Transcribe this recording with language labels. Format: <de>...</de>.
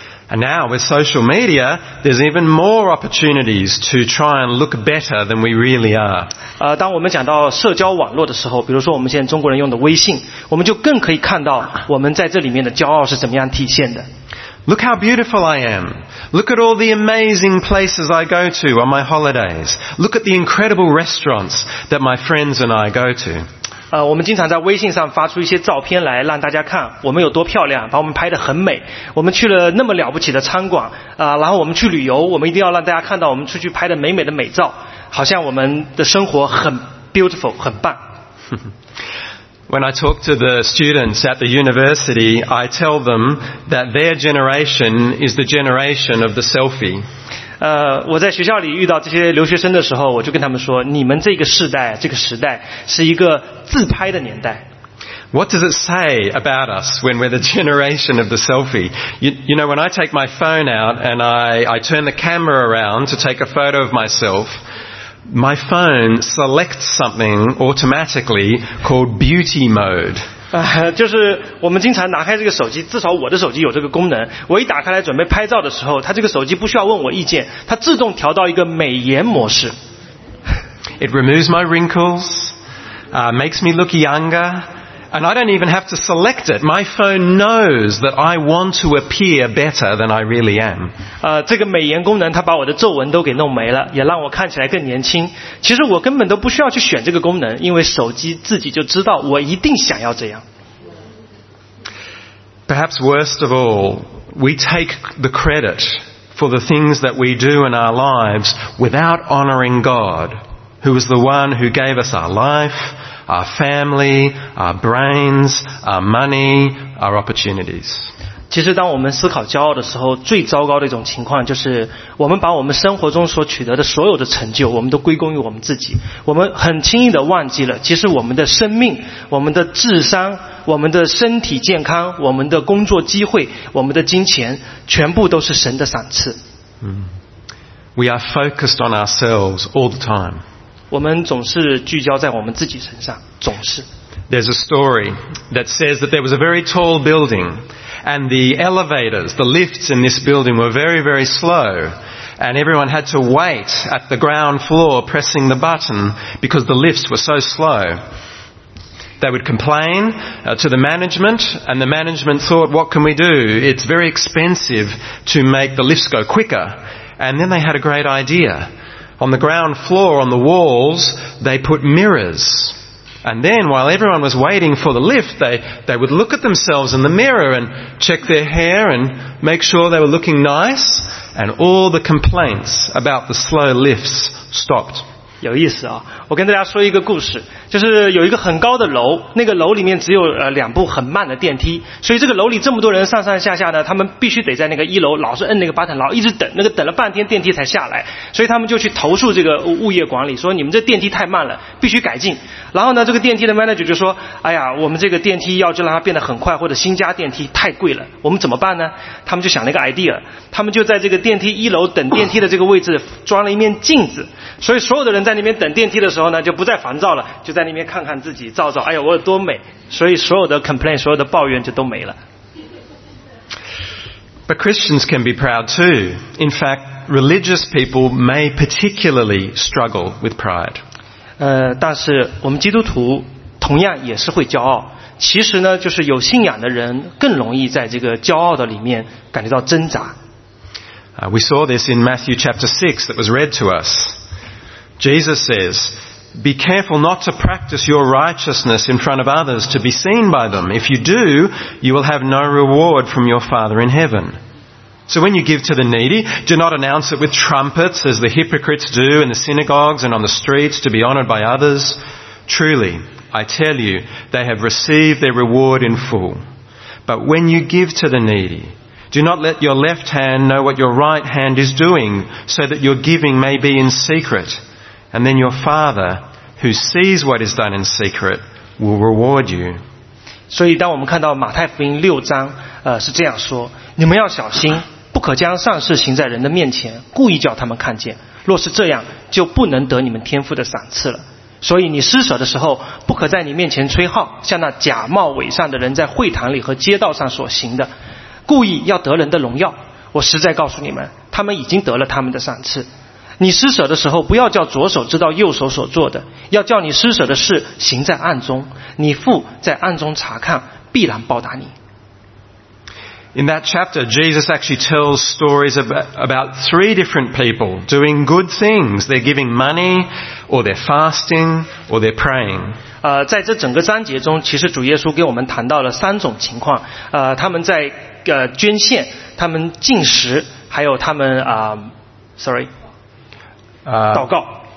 <en>And now with social media, there's even more opportunities to try and look better than we really are.</en> <zh>当我们讲到社交网络的时候，比如说我们现在中国人用的微信，我们就更可以看到我们在这里面的骄傲是怎么样体现的。</zh> <en>Look how beautiful I am. Look at all the amazing places I go to on my holidays. Look at the incredible restaurants that my friends and I go to.</en> <zh>我们经常在微信上发出一些照片来让大家看我们有多漂亮，把我们拍得很美，我们去了那么了不起的餐馆，然后我们去旅游，我们一定要让大家看到我们出去拍的美美的美照，好像我们的生活很</zh> <en>beautiful，</en> <zh>很棒。</zh> <en>When I talk to the students at the university, I tell them that their generation is the generation of the selfie.</en> <zh>我在学校里遇到这些留学生的时候，我就跟他们说，你们这个时代，这个时代是一个自拍的年代。</zh> <en>What does it say about us when we're the generation of the selfie? You know, when I take my phone out and I turn the camera around to take a photo of myself, my phone selects something automatically called beauty mode.</en> <zh>就是我们经常拿开这个手机，至少我的手机有这个功能。我一打开来准备拍照的时候，它这个手机不需要问我意见，它自动调到一个美颜模式。</zh> <en>It removes my wrinkles, makes me look younger, and I don't even have to select it. My phone knows that I want to appear better than I really am.</en> <zh>这个美颜功能它把我的皱纹都给弄没了，也让我看起来更年轻。其实我根本都不需要去选这个功能，因为手机自己就知道我一定想要这样。</zh> <en>Perhaps worst of all, we take the credit for the things that we do in our lives without honoring God. Who was the one who gave us our life, our family, our brains, our money, our opportunities?</en> <zh>其实当我们思考骄傲的时候，最糟糕的一种情况就是我们把我们生活中所取得的所有的成就，我们都归功于我们自己。我们很轻易地忘记了，其实我们的生命、我们的智商、我们的身体健康、我们的工作机会、我们的金钱，全部都是神的赏赐。</zh> <en>We are focused on ourselves all the time.</en> <zh>我们总是聚焦在我们自己身上，总是。</zh> <en>There's a story that says that there was a very tall building, and the elevators, the lifts in this building were very, very slow, and everyone had to wait at the ground floor pressing the button because the lifts were so slow. They would complain to the management, and the management thought, "What can we do? It's very expensive to make the lifts go quicker." And then they had a great idea. On the ground floor, on the walls, they put mirrors. And then, while everyone was waiting for the lift, they would look at themselves in the mirror and check their hair and make sure they were looking nice. And all the complaints about the slow lifts stopped.</en> <zh>有意思啊、哦！我跟大家说一个故事，就是有一个很高的楼，那个楼里面只有两部很慢的电梯，所以这个楼里这么多人上上下下呢，他们必须得在那个一楼老是摁那个</zh> <en>button，</en> <zh>然后一直等，那个等了半天电梯才下来，所以他们就去投诉这个物业管理，说你们这电梯太慢了，必须改进。然后呢，这个电梯的</zh> <en>manager</en> <zh>就说：“哎呀，我们这个电梯要就让它变得很快，或者新加电梯太贵了，我们怎么办呢？” 他们就想了一个</zh> <en>idea，</en> <zh>他们就在这个电梯一楼等电梯的这个位置装了一面镜子，所以所有的人。在那边等电梯的时候呢，就不再烦躁了，就在那边看看自己，照照，哎呀，我有多美！所以所有的</zh> <en>complaint，</en> <zh>所有的抱怨就都没了。</zh> <en>But Christians can be proud too. In fact, religious people may particularly struggle with pride.</en> <zh>但是我们基督徒同样也是会骄傲。其实呢，就是有信仰的人更容易在这个骄傲的里面感觉到挣扎。</zh> <en>We saw this in Matthew chapter 6 that was read to us. Jesus says, be careful not to practice your righteousness in front of others to be seen by them. If you do, you will have no reward from your Father in heaven. So when you give to the needy, do not announce it with trumpets as the hypocrites do in the synagogues and on the streets to be honored by others. Truly, I tell you, they have received their reward in full. But when you give to the needy,Do not let your left hand know what your right hand is doing, so that your giving may be in secret. And then your Father, who sees what is done in secret, will reward you.</en> <zh>所以当我们看到马太福音六章是这样说，你们要小心，不可将善事行在人的面前，故意叫他们看见。若是这样，就不能得你们天父的赏赐了。所以你施舍的时候，不可在你面前吹号，像那假冒伪善的人在会堂里和街道上所行的。故意要得人的荣耀，我实在告诉你们，他们已经得了他们的赏赐。你施舍的时候，不要叫左手知道右手所做的，要叫你施舍的事行在暗中，你父在暗中查看，必然报答你。</zh> <en>In that chapter, Jesus actually tells stories about three different people doing good things. They're giving money, or they're fasting, or they're praying.</en> <zh>在这整个章节中，其实主耶稣给我们谈到了三种情况。他们在捐献，他们进食，还有他们祷告。</zh>